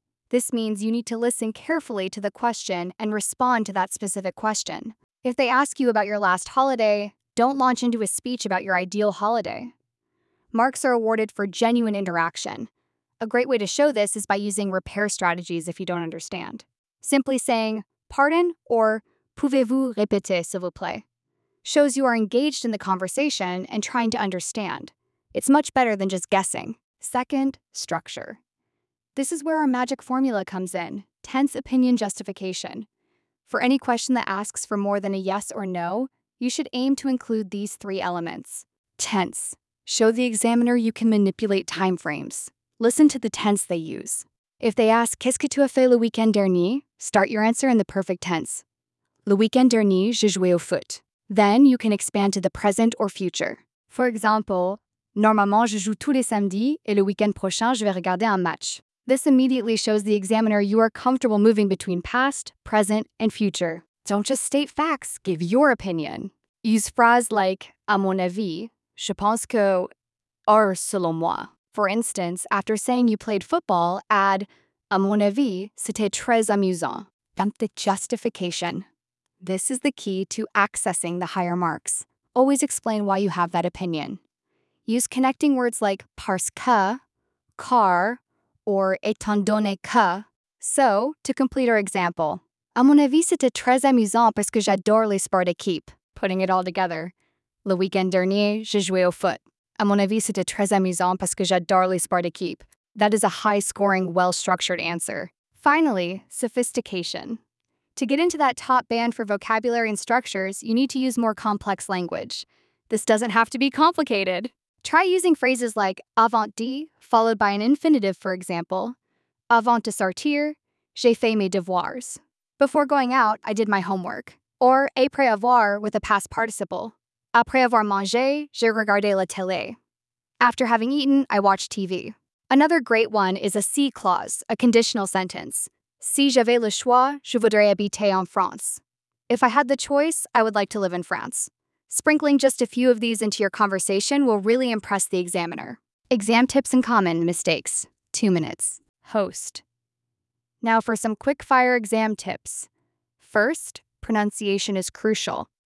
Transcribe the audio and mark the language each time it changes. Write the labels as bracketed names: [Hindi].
[English] This means you need to listen carefully to the question and respond to that specific question. If they ask you about your last holiday, don't launch into a speech about your ideal holiday. Marks are awarded for genuine interaction. A great way to show this is by using repair strategies if you don't understand. Simply saying, [French] "Pardon," or "Pouvez-vous répéter, s'il vous plaît?" [English] shows you are engaged in the conversation and trying to understand. It's much better than just guessing. Second, structure. This is where our magic formula comes in, tense opinion justification. For any question that asks for more than a yes or no, you should aim to include these 3 elements. Tense. Show the examiner you can manipulate time frames. Listen to the tense they use. If they ask, [French] "Qu'est-ce que tu as fait le week-end dernier?" [English] start your answer in the perfect tense. [French] "Le week-end dernier, j'ai joué au foot." [English] Then you can expand to the present or future. For example, [French] "Normalement, je joue tous les samedis, et le week-end prochain, je vais regarder un match." [English] This immediately shows the examiner you are comfortable moving between past, present, and future. Don't just state facts, give your opinion. Use phrases like, [French] "À mon avis, je pense que," or "selon moi." [English] For instance, after saying you played football, add, [French] "À mon avis, c'était très amusant." [English] Dump the justification. This is the key to accessing the higher marks. Always explain why you have that opinion. Use connecting words like [French] "parce que," "car," or "étant donné que." [English] So, to complete our example, [French] "À mon avis, c'était très amusant parce que j'adore les sports d'équipe." [English] Putting it all together, [French] "Le week-end dernier, j'ai joué au foot. À mon avis, c'était très amusant parce que j'adore les sports d'équipe." [English] That is a high-scoring, well-structured answer. Finally, sophistication. To get into that top band for vocabulary and structures, you need to use more complex language. This doesn't have to be complicated. Try using phrases like "avant-dit," followed by an infinitive, for example, [French] "avant de sortir, j'ai fait mes devoirs." [English] "Before going out, I did my homework." Or "après avoir" with a past participle. [French] "Après avoir mangé, j'ai regardé la télé." [English] "After having eaten, I watched TV." Another great one is a "si" clause, a conditional sentence. [French] "Si j'avais le choix, je voudrais habiter en France." [English] If I had the choice, I would like to live in France. Sprinkling just a few of these into your conversation will really impress the examiner. Exam tips and common mistakes. 2 minutes. Host. Now for some quick-fire exam tips. First, pronunciation is crucial.